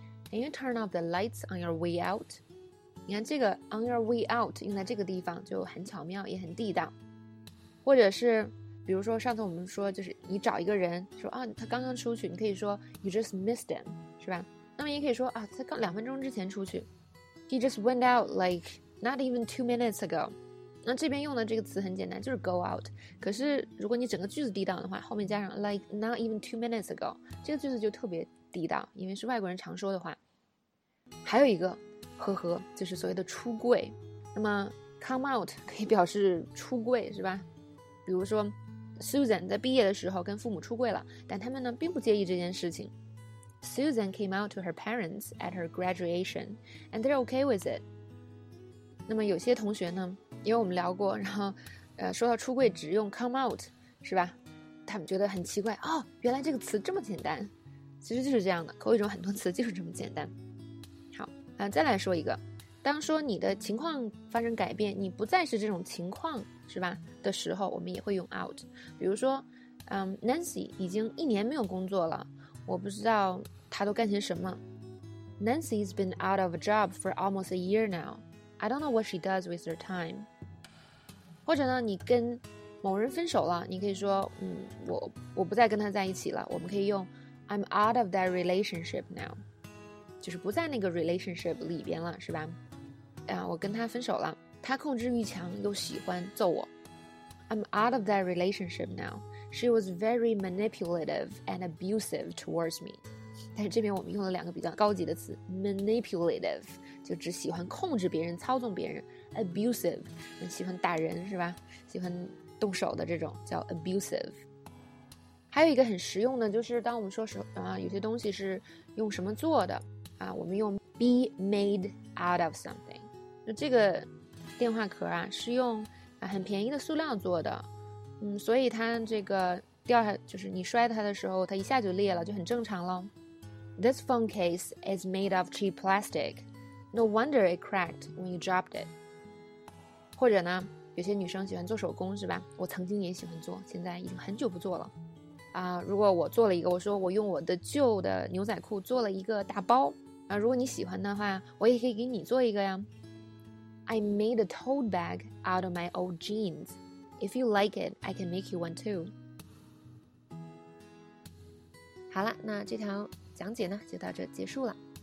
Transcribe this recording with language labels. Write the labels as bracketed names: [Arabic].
[English] Can you turn off the lights on your way out? [Chinese] 你看这个 on your way out 用在这个地方就很巧妙，也很地道。或者是比如说上次我们说就是你找一个人说啊他刚刚出去，你可以说 [English] you just missed him [Chinese] 是吧，那么也可以说啊他刚两分钟之前出去， [English] he just went out like not even 2 minutes ago。 [Chinese] 那这边用的这个词很简单，就是 go out， 可是如果你整个句子地道的话，后面加上 [English] like not even 2 minutes ago， [Chinese] 这个句子就特别地道，因为是外国人常说的话。还有一个呵呵，就是所谓的出柜。那么 come out 可以表示出柜是吧，比如说Susan 在毕业的时候跟父母出柜了，但他们呢并不介意这件事情。 [English] Susan came out to her parents at her graduation and they're okay with it. [Chinese] 那么有些同学呢，因为我们聊过，然后说到出柜只用 come out 是吧，他们觉得很奇怪，哦，原来这个词这么简单。其实就是这样的，口语中很多词就是这么简单。好，再来说一个，当说你的情况发生改变，你不再是这种情况是吧的时候，我们也会用 out。比如说Nancy 已经一年没有工作了，我不知道她都干些什么。 [English] Nancy's been out of a job for almost a year now. I don't know what she does with her time. [Chinese] 或者呢你跟某人分手了，你可以说我不再跟他在一起了，我们可以用 [English] I'm out of that relationship now， [Chinese] 就是不在那个 relationship 里边了是吧，我跟他分手了，他控制欲强又喜欢揍我。 [English] I'm out of that relationship now. She was very manipulative and abusive towards me. [Chinese] 但是这边我们用了两个比较高级的词， [English] manipulative 就 [Chinese] 就只喜欢控制别人，操纵别人， abusive， 喜欢打人是吧，喜欢动手的这种叫 abusive。还有一个很实用的，就是当我们说什么、有些东西是用什么做的啊，我们用 be made out of something。就这个电话壳啊是用很便宜的塑料做的，所以它这个掉下，就是你摔它的时候它一下就裂了，就很正常了。 [English] This phone case is made of cheap plastic. No wonder it cracked when you dropped it. [Chinese] 或者呢，有些女生喜欢做手工是吧，我曾经也喜欢做，现在已经很久不做了啊。如果我做了一个，我说我用我的旧的牛仔裤做了一个大包啊，如果你喜欢的话，我也可以给你做一个呀。 [English] I made a tote bag out of my old jeans. If you like it, I can make you one too. [Chinese] 好了，那这条讲解呢，就到这结束了。